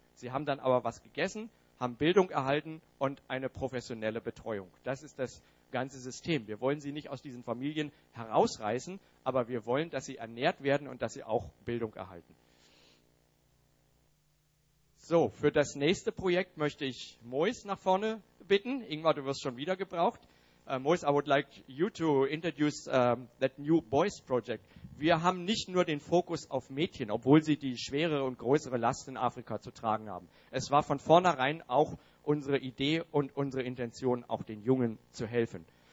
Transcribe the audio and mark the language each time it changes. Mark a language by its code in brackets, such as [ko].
[de] Sie haben dann aber was gegessen, haben Bildung erhalten und eine professionelle Betreuung. Das ist das ganze System. Wir wollen sie nicht aus diesen Familien herausreißen, aber wir wollen, dass sie ernährt werden und dass sie auch Bildung erhalten. So, für das nächste Projekt möchte ich Mois nach vorne bitten. Ingmar, du wirst schon wieder gebraucht. [en] Mois, I would like you to introduce that new boys project. [de] Wir haben nicht nur den Fokus auf Mädchen, obwohl sie die schwere und größere Last in Afrika zu tragen haben. Es war von vornherein auch unsere Idee und unsere Intention, auch den Jungen zu helfen.